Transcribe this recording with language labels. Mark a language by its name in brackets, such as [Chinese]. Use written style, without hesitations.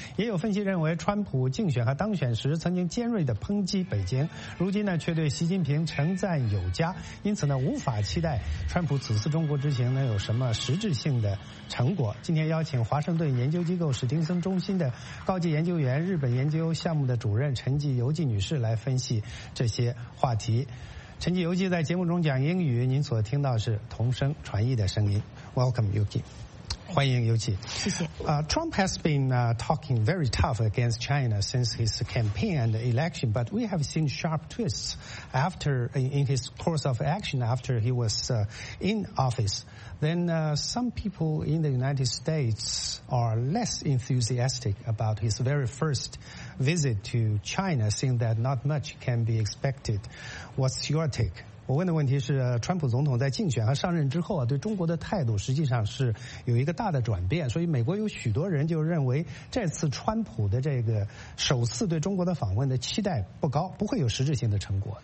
[Chinese] 也有分析认为，川普竞选和当选时曾经尖锐地抨击北京，如今呢却对习近平称赞有加，因此呢无法期待川普此次中国之行能有什么实质性的成果。今天邀请华盛顿研究机构史丁森中心的高级研究员、日本研究项目的主任陈吉游纪女士来分析这些话题。陈吉游纪在节目中讲英语，您所听到是同声传译的声音。 [English] Welcome, Yuki. [Chinese] 欢迎游纪。谢谢。 [English] Trump has been talking very tough against China since his campaign and election, but we have seen sharp twists in his course of action after he was in office. Then some people in the United States are less enthusiastic about his very first visit to China, seeing that not much can be expected. What's your take? [Chinese] 我问的问题是，川普总统在竞选和上任之后啊，对中国的态度实际上是有一个大的转变，所以美国有许多人就认为这次川普的这个首次对中国的访问的期待不高，不会有实质性的成果。